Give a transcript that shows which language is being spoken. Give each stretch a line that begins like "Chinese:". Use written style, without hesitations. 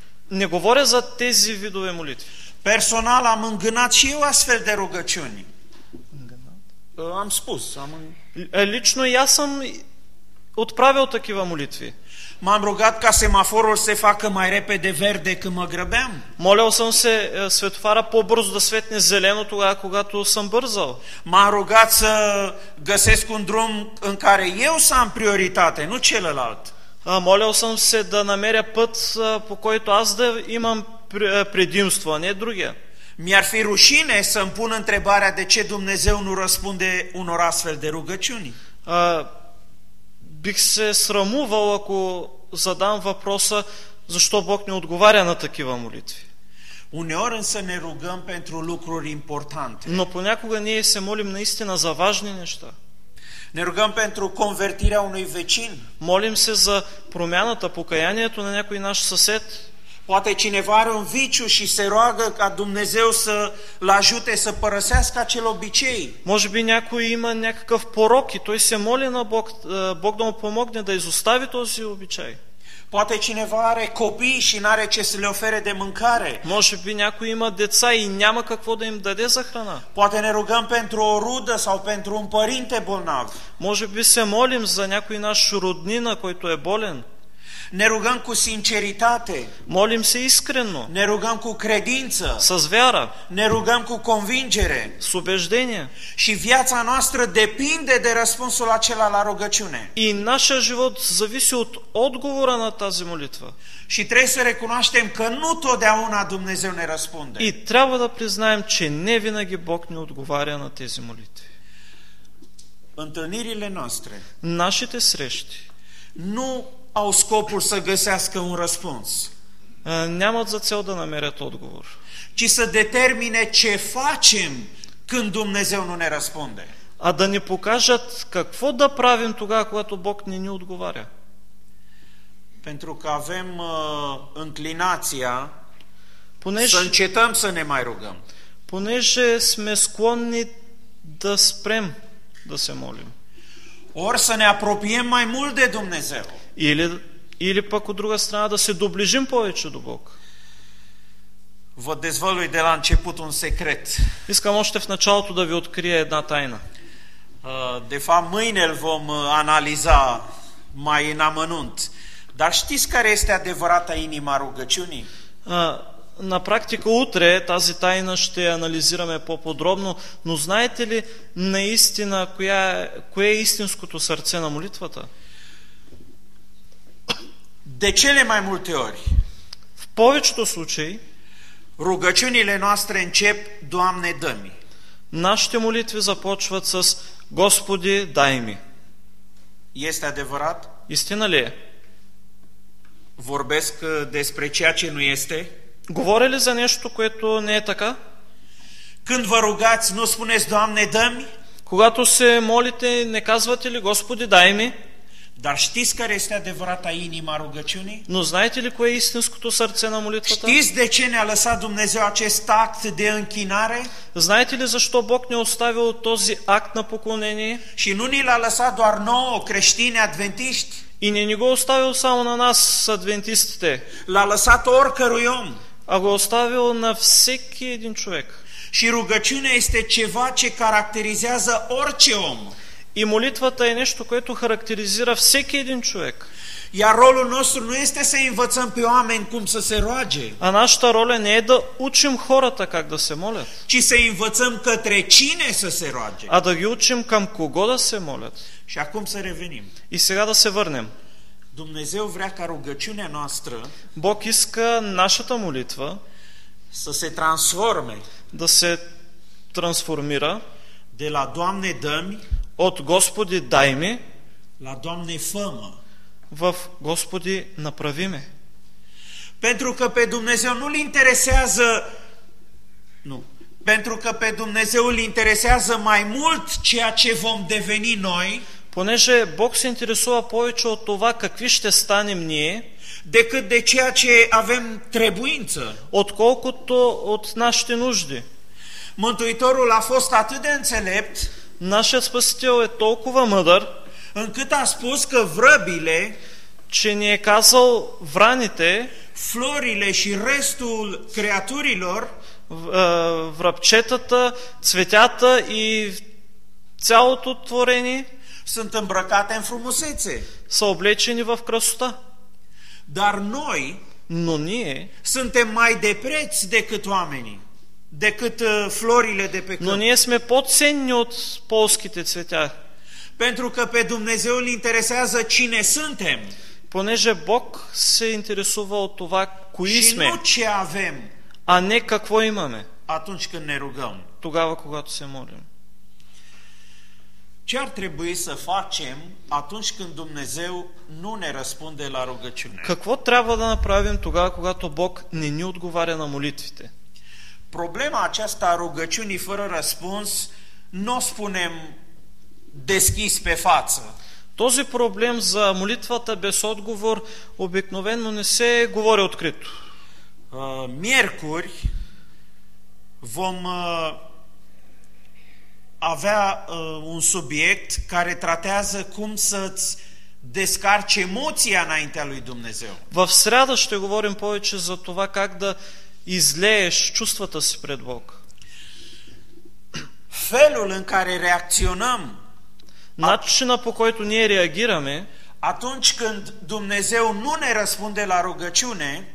Bulgarian: Не говоря за тези видове молитви.
Romanian: Personal am îngânat și eu astfel de rugăciuni. Am spus,
Bulgarian: Лично я съм отправил такива молитви.
Romanian: M-am rugat ca semaforul să se facă mai repede verde când mă grăbeam.
Bulgarian: Молил съм се светофара по-бързо да светне зелено тогава, когато съм бързал.
Romanian: M-am rugat să găsesc un drum în care eu să am prioritate, nu celălalt.
Bulgarian: Молил съм се да намеря път, по който аз да имам предимство, а не другия.
Romanian: Mi-ar fi rușine să-mi pun întrebarea de ce Dumnezeu nu răspunde unor astfel de rugăciuni.
Bulgarian: Бих се срамувал, ако задам въпроса, защо Бог не отговаря на такива молитви.
Romanian: Uneori însă ne rugăm pentru lucruri importante.
Bulgarian: Но понякога ние се молим наистина за важни неща.
Romanian: Ne rugăm pentru convertirea unui vecin.
Bulgarian: Молим се за промяната, покаянието на някой наш съсед.
Romanian: Poate cineva are un viciu și se roagă ca Dumnezeu să-l ajute să părăsească acel obicei.
Bulgarian: Може би някой има някакъв порок и той се моли на Бог, Бог да му помогне да изостави този обичай.
Romanian: Poate cineva are copii și n-are ce să le ofere de mâncare.
Bulgarian: Може би някой има деца и няма какво да им даде за храна.
Romanian: Poate ne rugăm pentru o rudă sau pentru un părinte bolnav.
Bulgarian: Може би се молим за някой наш роднина, който е болен.
Romanian: Ne rugăm cu sinceritate.
Bulgarian: Молим се искрено.
Romanian: Ne rugăm cu credință.
Bulgarian: С вяра.
Romanian: Ne rugăm cu convingere.
Bulgarian: С убеждение.
Romanian: Și viața noastră depinde de răspunsul acela la rugăciune.
Bulgarian: И нашия живот зависи от отговора на тази молитва.
Romanian: Și trebuie să recunoaștem că nu totdeauna Dumnezeu ne răspunde.
Bulgarian: И трябва да признаем, че не винаги Бог ни отговаря на тези молитви.
Romanian: Întâlnirile noastre.
Bulgarian: Нашите срещи.
Romanian: Nu au scopul să găsească un răspuns.
Bulgarian: Нямат за цел да намерят отговор.
Romanian: Ci să determine ce facem când Dumnezeu nu ne răspunde.
Bulgarian: А да ни покажат какво да правим тогава, когато Бог не ни отговаря.
Romanian: Pentru că avem înclinația să încetăm să ne mai rugăm.
Bulgarian: Понеже сме склонни да спрем да се молим.
Romanian: Ori să ne apropiem mai mult de Dumnezeu.
Bulgarian: Или пък от друга страна да се доближим повече до Бог.
Romanian: Vă dezvălui de la început un secret.
Bulgarian: Искам още в началото да ви открия една тайна.
Romanian: De fapt, mâine îl vom analiza mai în amănunt. Dar știți care este adevărata inima rugăciunii?
Bulgarian: На практика утре тази тайна ще анализираме по-подробно, но знаете ли наистина кое е истинското сърце на молитвата?
Romanian: De cele mai multe ori.
Bulgarian: В повечето случаи
Romanian: rugăciunile noastre încep: Doamne, dă-mi.
Bulgarian: Нашите молитви започват с: Господи, дай ми.
Romanian: Este adevărat?
Bulgarian: Истина ли е?
Romanian: Vorbesc despre ceea ce nu este?
Bulgarian: Говоря ли за нещо, което не е така?
Romanian: Când vă rugați, nu spuneți: Doamne, dă-mi?
Bulgarian: Когато се молите, не казвате ли: Господи, дай ми?
Romanian: Dar știți care este adevărata inima rugăciunii?
Bulgarian: Но знаете ли кое е истинското сърце на молитвата?
Romanian: Știți de ce ne-a lăsat Dumnezeu acest act de închinare?
Bulgarian: Знаете ли защо Бог ни оставил този акт на поклонение?
Romanian: Și nu ni l-a lăsat doar nouă creștini adventiști?
Bulgarian: И не ни го оставил само на нас, адвентистите.
Romanian: L-a lăsat oricărui om.
Bulgarian: А го оставил на всеки един човек.
Romanian: Și rugăciunea este ceva ce caracterizează orice om.
Bulgarian: И молитвата е нещо, което характеризира всеки един човек.
Romanian: Iar rolul nostru nu este să învățăm pe oameni cum să se roage.
Bulgarian: А нашата роля не е да учим хората как да се молят.
Romanian: Ci să învățăm către cine să se roage.
Bulgarian: А да ги учим към кого да се молят.
Romanian: Și acum să revenim.
Bulgarian: И сега да се върнем.
Romanian: Dumnezeu vrea ca rugăciunea noastră,
Bulgarian: Бог иска нашата молитва
Romanian: să se transforme,
Bulgarian: да се трансформира,
Romanian: de la Doamne dă-mi,
Bulgarian: от Господи дай ми,
Romanian: la Doamne fă-mă,
Bulgarian: в Господи направи ме.
Romanian: Pentru că pe Dumnezeu nu-l interesează, nu, pentru că pe Dumnezeu îl interesează mai mult ceea ce vom deveni noi,
Bulgarian: понеже Бог се интересува повече от това какви ще станем ние,
Romanian: decât de ceea ce avem trebuință,
Bulgarian: отколкото от нашите нужди.
Romanian: Mântuitorul a fost atât de înțelept,
Bulgarian: нашият Спасител е толкова мъдър,
Romanian: încât a spus că vrăbile,
Bulgarian: че ни е казал враните,
Romanian: florile și restul creaturilor,
Bulgarian: vrăbчетата, цветята и цялото творение,
Romanian: sunt îmbrăcate în frumusețe.
Bulgarian: Са облечени в красота.
Romanian: Dar noi,
Bulgarian: но ние,
Romanian: suntem mai de preț decât oamenii, decât florile de pe câmp.
Bulgarian: Но ние сме по-ценни от полските цветя.
Romanian: Pentru că pe Dumnezeu îl interesează cine suntem.
Bulgarian: Понеже Бог се интересува от това кои сме.
Romanian: Și nu ce avem.
Bulgarian: А не какво имаме.
Romanian: Atunci când ne rugăm.
Bulgarian: Тогава когато се молим.
Romanian: Ce ar trebui să facem atunci când Dumnezeu nu ne răspunde la rugăciune?
Bulgarian: Какво трябва да направим тогава, когато Бог не ни отговаря на молитвите?
Romanian: Problema aceasta a rugăciunii fără răspuns n-o spunem deschis pe față.
Bulgarian: Този проблем за молитвата без отговор обикновено не се говори открито.
Romanian: Miercuri vom avea un subiect care tratează cum să-ți descarci emoția înaintea lui Dumnezeu.
Bulgarian: В среда ще говорим повече за това как да излееш чувствата си пред Бог.
Romanian: Felul în care reacționăm,
Bulgarian: начина по който ние реагираме,
Romanian: Atunci când Dumnezeu nu ne răspunde la rugăciune,